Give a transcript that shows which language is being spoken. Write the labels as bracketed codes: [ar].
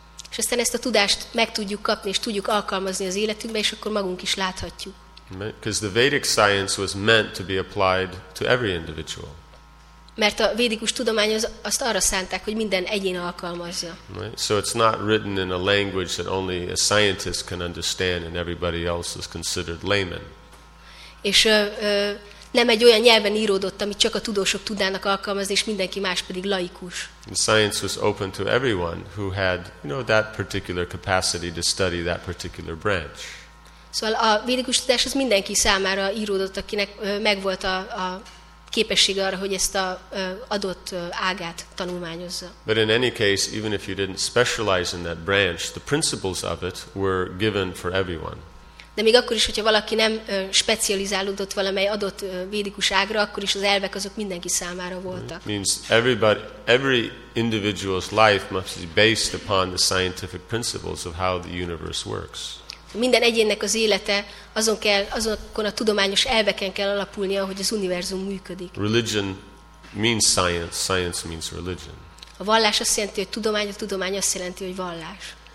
[hu] És aztán ezt a tudást meg tudjuk kapni és tudjuk alkalmazni az életünkbe, és akkor magunk is láthatjuk. [en] Because the Vedic science was meant to be applied to every individual. [hu] Mert a védikus tudomány az azt arra szánták, hogy minden egyén alkalmazza. [en] Right? So it's not written in a language that only a scientist can understand and everybody else is considered layman. [hu] És nem egy olyan nyelven íródott, amit csak a tudósok tudnának alkalmazni, és mindenki más pedig laikus. [en] The science was open to everyone who had, you know, that particular capacity to study that particular branch. [hu] Szóval a védikus tudás az mindenki számára íródott, akinek megvolt a képessége arra, hogy ezt a adott ágát tanulmányozza. [en] But in any case, even if you didn't specialize in that branch, the principles of it were given for everyone. [hu] De még akkor is, hogyha valaki nem specializálódott valamely adott védikus ágra, akkor is az elvek azok mindenki számára voltak. [en] It means everybody, every individual's life must be based upon the scientific principles of how the universe works. [hu] Minden egyének az élete azon kell, azokon a tudományos elveken kell alapulnia, hogy az univerzum működik. [en] Religion means science, science means religion. [hu] A vallás azt jelenti, hogy tudomány, a tudomány azt jelenti, hogy vallás.